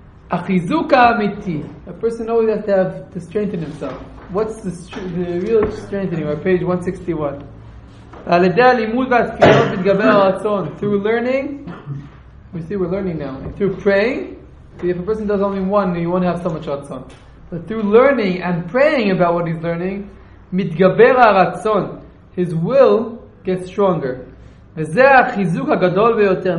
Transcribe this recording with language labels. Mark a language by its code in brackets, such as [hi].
[he] החיזוק האמיתי, [en] a person always has to strengthen himself. What's the real strengthening? On page 161. [he] על ידי הלימוד והתפילות מתגבר הרצון. [en] Through learning, we see we're learning now. Through praying, if a person does only one, you won't have so much רצון. But through learning and praying about what he's learning, [he] מתגבר הרצון. [en] His will gets stronger. [he] וזה החיזוק הגדול ביותר.